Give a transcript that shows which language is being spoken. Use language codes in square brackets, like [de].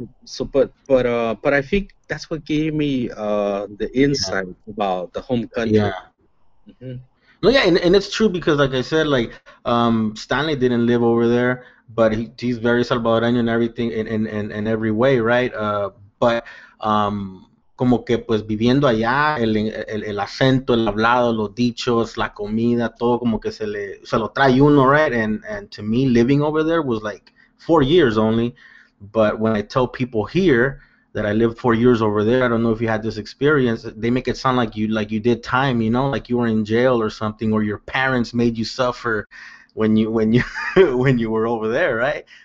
[en] So, but I think that's what gave me the insight about the home country. Yeah. Mm-hmm. No, yeah, and it's true, because like I said, like Stanley didn't live over there, but he's very Salvadoran and everything in every way, right? [es] But como que pues viviendo allá, el acento, el hablado, los dichos, la comida, todo como que se lo trae uno, right? [en] And to me, living over there was like 4 years only. But when I tell people here that I lived 4 years over there, I don't know if you had this experience, they make it sound like you did time, like you were in jail or something, or your parents made you suffer when you when you were over there, right?